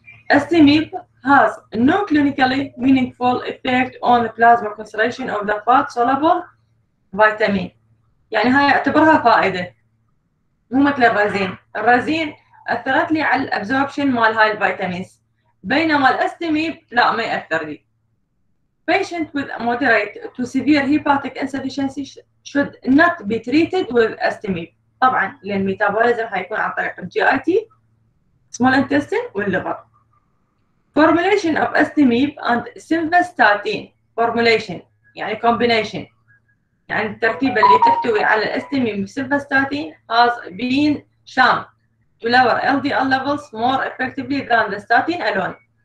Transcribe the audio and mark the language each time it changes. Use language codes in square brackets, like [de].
[en] Ezetimibe has no clinically meaningful effect on the plasma concentration of the fat-soluble vitamin. [ar] يعني هاي اعتبرها فائدة. مو مثل الرزين. الرزين أثرت لي على absorption مال هاي الفيتامينز. بينما الأستميب لا ما يأثر لي. [en] Patient with moderate to severe hepatic insufficiency should not be treated with ezetimibe. [ar] طبعاً لأن الميتابوليزم هيكون عن طريق GIT, small intestine والليفر. [en] Formulation of ezetimibe and simvastatin formulation يعني combination [ar] يعني الترتيب اللي تحتوي على الاستميب والسيمفاستاتين [en] has been shown to lower LDL levels more effectively than the statin alone.